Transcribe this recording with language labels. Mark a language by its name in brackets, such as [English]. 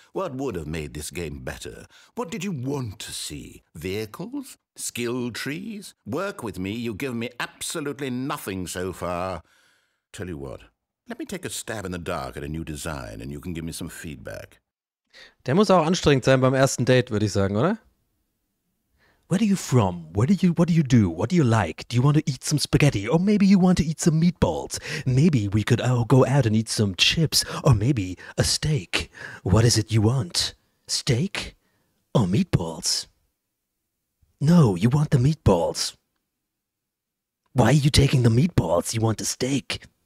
[English] What would have made this game better? What did you want to see? Vehicles? Skill trees? Work with me. You've given me absolutely nothing so far. Tell you what. Let me take a stab in the dark at a new design and you can give me some feedback. [German] Der muss auch anstrengend sein beim ersten Date, würde ich sagen, oder? [English] Where are you from? What do you do? What do you like? Do you want to eat some spaghetti? Or maybe you want to eat some meatballs? Maybe we could go out and eat some chips? Or maybe a steak? What is it you want? Steak? Or meatballs? No, you want the meatballs. Why are you taking the meatballs? You want a steak?